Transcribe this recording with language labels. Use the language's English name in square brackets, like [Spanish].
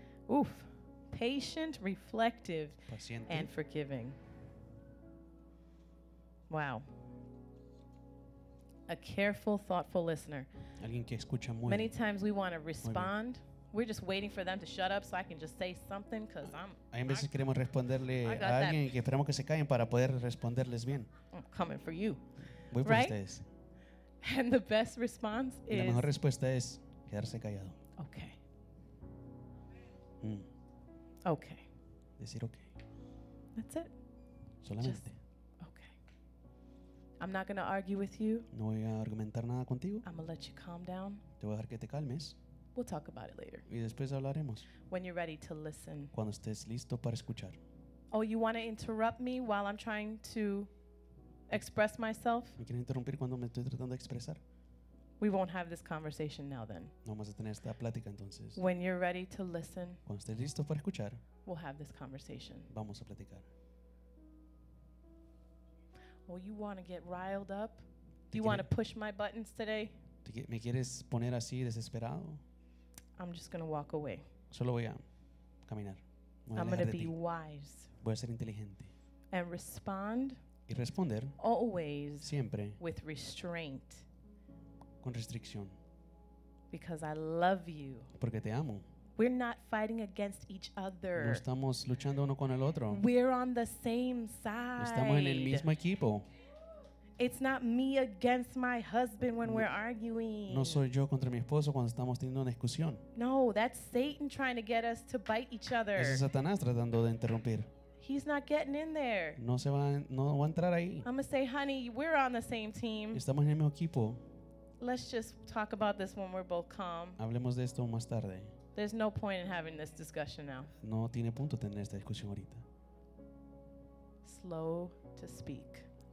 [English] Oof. Patient, reflective, [Spanish] paciente. [English] And forgiving. Wow. A careful, thoughtful listener. [Spanish] Alguien que escucha muy [English] many [Spanish] bien. [English] Times we want to respond. We're just waiting for them to shut up so I can just say something because I'm... [Spanish] Hay veces queremos responderle a alguien y que esperamos que se callen para poder responderles bien. [English] I'm coming for you. [Spanish] Voy por [English] right? [Spanish] Ustedes. [English] And the best response is. [Spanish] La mejor respuesta es quedarse callado. [English] Okay. Mm. Okay. [Spanish] Decir okay. [English] That's it. [Spanish] Solamente. [English] Just, okay. I'm not going to argue with you. [Spanish] No voy a argumentar nada contigo. [English] I'm going to let you calm down. [Spanish] Te voy a dejar que te calmes. [English] We'll talk about it later. [Spanish] Y después hablaremos. [English] When you're ready to listen. [Spanish] Cuando estés listo para escuchar. [English] Oh, you want to interrupt me while I'm trying to. Express myself. [Spanish] ¿Me quieren interrumpir cuando me estoy tratando de expresar? [English] We won't have this conversation now then. [Spanish] No vamos a tener esta plática entonces. [English] When you're ready to listen. [Spanish] Cuando estés listo para escuchar. [English] We'll have this conversation. [Spanish] Vamos a platicar. [English] Oh, you want to get riled up? Do you want to push my buttons today? [Spanish] ¿Me quieres poner así desesperado? [English] I'm just going to walk away. [Spanish] Solo voy a caminar. Voy a [English] I'm going to be ti. Wise. [Spanish] Voy a ser inteligente. [English] And respond. [Spanish] Y responder [English] always [Spanish] siempre [English] with restraint [Spanish] con restricción [English] because I love you [Spanish] porque te amo. [English] We're not fighting against each other. [Spanish] No estamos luchando uno con el otro. [English] We're on the same side. [Spanish] Estamos en el mismo equipo. [English] It's not me against my husband when we're arguing. [Spanish] No soy yo contra mi esposo cuando estamos teniendo una discusión. [English] No, that's Satan trying to get us to bite each other. [Spanish] Es Satanás tratando de interrumpir. [English] He's not getting in there. [Spanish] No se va, no va a entrar ahí. [English] I'm going to say, honey, we're on the same team. [Spanish] Estamos en el mismo equipo. [English] Let's just talk about this when we're both calm. [Spanish] Hablemos de esto más tarde. [English] There's no point in having this discussion now. [Spanish] No tiene punto tener esta discusión ahorita. [English] Slow to speak.